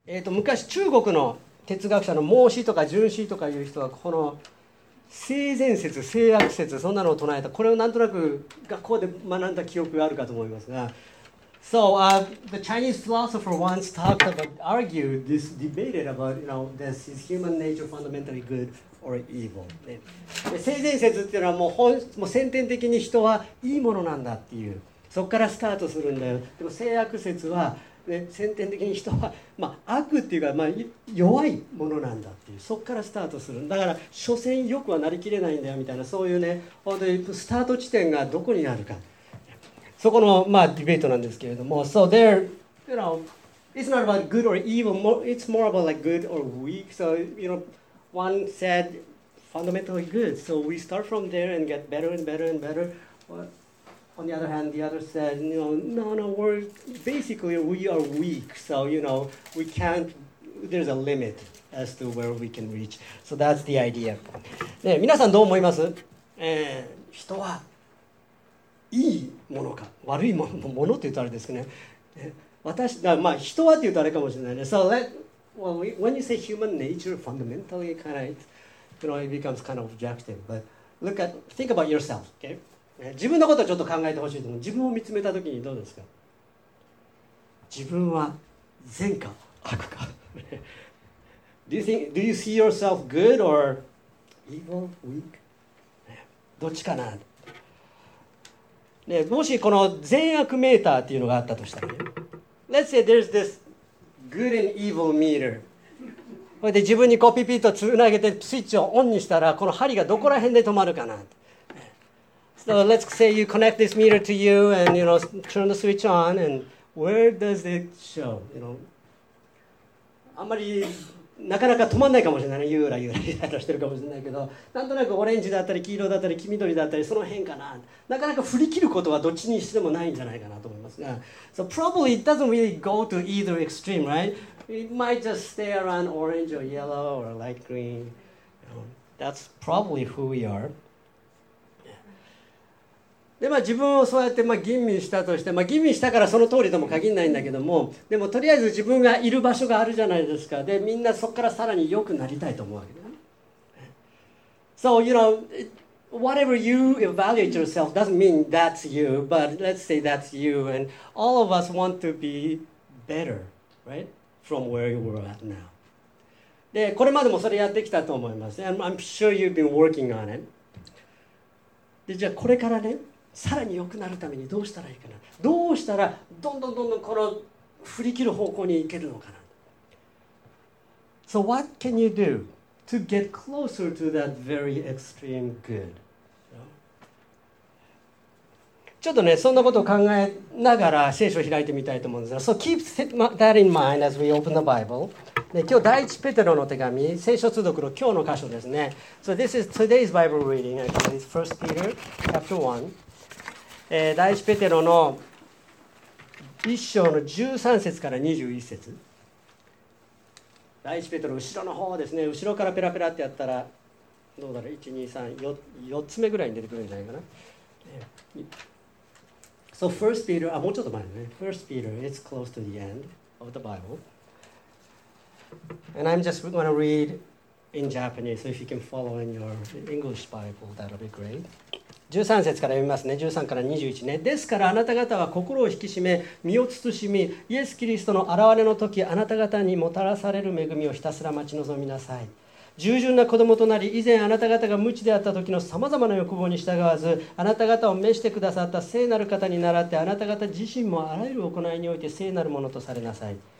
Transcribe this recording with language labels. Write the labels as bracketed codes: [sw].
[ja] 昔中国の哲学者の孟子とか荀子とかいう人はこの性善説、性悪説、そんなのを唱えた。これをなんとなく学校で学んだ記憶があるかと思いますが。 [en] So, the Chinese philosopher once talked about, argued this, debated about, you know, this is human nature fundamentally good or evil. [ja] で、性善説っていうのはもう先天的に人はいいものなんだっていう。そこからスタートするんだよ。でも性悪説は、ね、先天的に人は、悪っていうか、弱いものなんだっていう、そこからスタートする。だから、所詮良くはなりきれないんだよみたいな、そういうね、本当にスタート地点がどこにあるか、そこの、ディベートなんですけれども、 [en] So there, you know, it's not about good or evil, it's more about like good or weak. So, you know, one said fundamentally good, so we start from there and get better and better and better. On the other hand, the other said, you know, no, we're basically we are weak, so you know, we can't, there's a limit as to where we can reach. So that's the idea. [ja] で、皆さんどう思います？人はいいものか、悪いものって言うとあれですかね。私、人はって言うとあれかもしれないね。 [en] So let, well, we, when you say human nature fundamentally kind of, you know, it becomes kind of objective. But look at, think about yourself, okay? [ja] 自分のことをちょっと考えてほしいと思う。自分を見つめたときにどうですか。自分は善か悪か。 [en] do you see yourself good or evil, weak? [ja] どっちかな。ね、もしこの善悪メーターっていうのがあったとしたら、ね、 [en] Let's say there's this good and evil meter. [ja] これで自分にこうピピッとつなげてスイッチをオンにしたら、この針がどこら辺で止まるかな。 [en] So let's say you connect this meter to you and you know, turn the switch on and where does it show? You know? [ja] あんまりなかなか止まらないかもしれないね。ゆらゆらゆらしてるかもしれないけど、なんとなくオレンジだったり黄色だったり黄緑だったり、その辺かな。なかなか振り切ることはどっちにしてもないんじゃないかなと思いますが。 [en] So probably it doesn't really go to either extreme, right? It might just stay around orange or yellow or light green. That's probably who we are. [ja] で、自分をそうやって吟味したとして、吟味したからその通りとも限らないんだけども、でもとりあえず自分がいる場所があるじゃないですか。で、みんなそこからさらに良くなりたいと思うわけだ。 [en] So, you know, whatever you evaluate yourself doesn't mean that's you, but let's say that's you, and all of us want to be better, right? From where you were at now. [ja] で、これまでもそれやってきたと思います。 [en] I'm sure you've been working on it. [ja] で、じゃあこれからね、さらに良くなるためにどうしたらいいかな、どうしたらどんどんこの振り切る方向に行けるのかな。 [en] So what can you do to get closer to that very extreme good? [ja] ちょっとね、そんなことを考えながら聖書を開いてみたいと思うんですが、 [en] So keep that in mind as we open the Bible. [ja] で、今日第一ペテロの手紙、聖書通読の今日の箇所ですね。 [en] So this is today's Bible reading, actually. It's 1 Peter chapter 1 [ja] 第一ペテロの1章の13節から21節。第一ペテロ後ろの方ですね。後ろからペラペラってやったらどうだろう、 1,2,3,4つ目ぐらいに出てくるんじゃないかな。 [en] So first Peter、 [ja] もうちょっと前ね。 [en] First Peter, it's close to the end of the Bible. And I'm just going to read in Japanese. So if you can follow in your English Bible, that'll be great. [ja] 13節から読みますね。13から21ね。ですからあなた方は心を引き締め、身を慎み、イエス・キリストの現れの時、あなた方にもたらされる恵みをひたすら待ち望みなさい。従順な子供となり、以前あなた方が無知であった時のさまざまな欲望に従わず、あなた方を召してくださった聖なる方に倣って、あなた方自身もあらゆる行いにおいて聖なるものとされなさい。